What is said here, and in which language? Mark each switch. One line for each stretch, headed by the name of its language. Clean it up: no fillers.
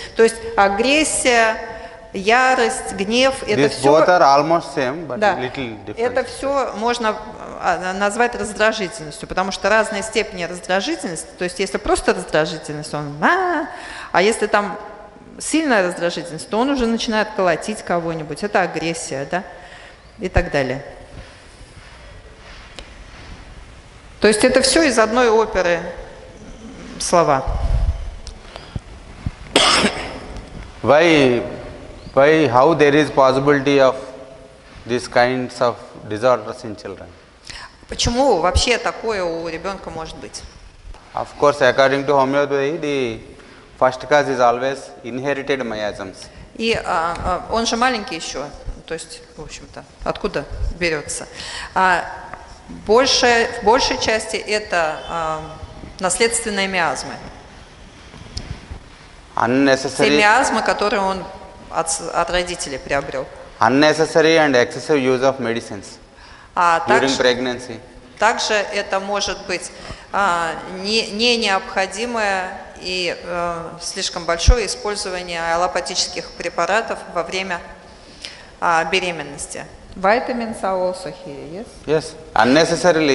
Russian: То есть агрессия, ярость, гнев, это все можно назвать раздражительностью, потому что разные степени раздражительности, то есть если просто раздражительность, а если там сильная раздражительность, то он уже начинает колотить кого-нибудь, это агрессия, да, и так далее. То есть это все из одной оперы слова.
English: Why, how there is possibility of these kinds of disorders in children?
Russian: Почему вообще такое у ребенка может быть?
English: Of course, according to homeopathy, the First cause is always inherited miasms.
Russian: И он же маленький еще, то есть, в общем-то, откуда берется. В большей части это наследственные миазмы.
English: Unnecessary.
Russian: Те миазмы, которые он от родителей приобрел.
English: Unnecessary and excessive use of medicines during pregnancy.
Russian: Также это может быть необходимое и слишком большое использование аллопатических препаратов во время беременности.
English: Vitamins are also here, yes? Yes, unnecessarily.